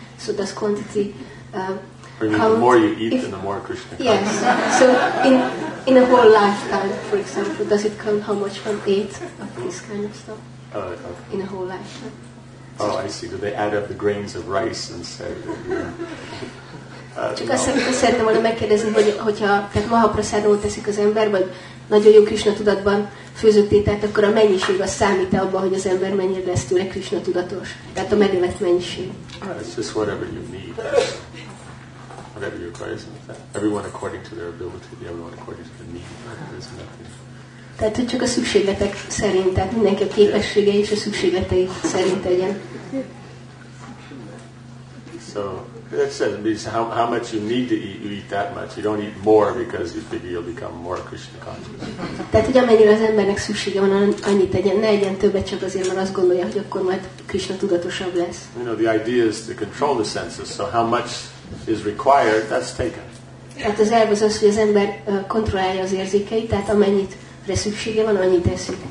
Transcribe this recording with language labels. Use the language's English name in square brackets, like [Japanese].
[English] So does quantity the more you eat, then the more Krishna comes. Yes. So in a whole lifetime, for example, does it count how much one ate of this kind of stuff? Okay. In a whole lifetime. Oh, I see. Do they add up the grains of rice and say? [Hungarian] Csak azt szeretném volna megkérdezni, hogyha tehát Mahaprasadamot teszik az ember, vagy nagyon jó Krishna tudatban főzött ételt, akkor a mennyiség az számít-e abban, hogy az ember mennyire lesz tőle Krishna tudatos? Tehát a megevett mennyiség. [English] It's just whatever you need. Whatever your price is. Everyone according to their ability, everyone according to their need. There's nothing. [Hungarian] Tehát, hogy csak a szükségletek szerint, tehát mindenki a képessége és a szükségletei szerint tegyen. [English] So, that says how much you need to eat, you eat that much. You don't eat more because you figure you'll become more Krishna conscious. [Hungarian] Tehát, hogy amennyire az embernek szüksége van, annyit tegyen, ne egyen többet, csak azért, mert azt gondolja, hogy akkor majd Krishna tudatosabb lesz. [English] You know, the idea is to control the senses, so how much is required, that's taken. [Hungarian] Tehát az elv az az, hogy az ember kontrollálja az érzékeit, tehát amennyit szüksége van, annyit eszik.